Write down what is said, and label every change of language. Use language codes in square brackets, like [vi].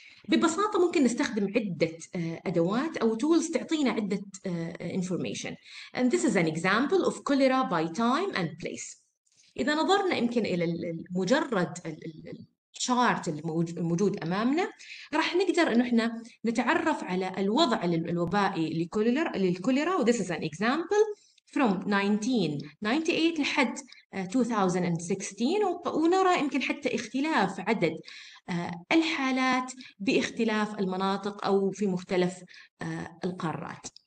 [ar] ببساطة ممكن نستخدم عدة أدوات أو tools تعطينا عدة information. [en] And this is an example of cholera by time and place. [ar] إذا نظرنا يمكن إلى مجرد الشارت الموجود أمامنا، راح نقدر أن احنا نتعرف على الوضع الوبائي للكوليرا. و [en] this is an example from 1998 [ar] لحد 2016، ونرى يمكن حتى اختلاف عدد الحالات باختلاف المناطق أو في مختلف القارات،